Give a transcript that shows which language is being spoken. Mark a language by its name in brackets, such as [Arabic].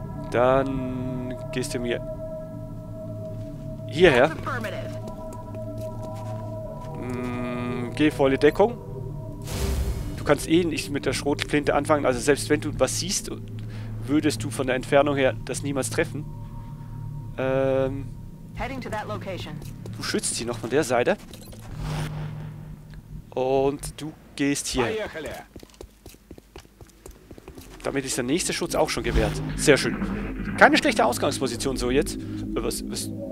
[German] Dann gehst du mir... Hierher. Geh volle Deckung. Du kannst eh nicht mit der Schrotflinte anfangen. Also selbst wenn du was siehst, würdest du von der Entfernung her das niemals treffen. [English] Heading to that location. [German] Du schützt sie noch von der Seite. Und du gehst hier. Damit ist der nächste Schutz auch schon gewährt. Sehr schön. Keine schlechte Ausgangsposition so jetzt. Was?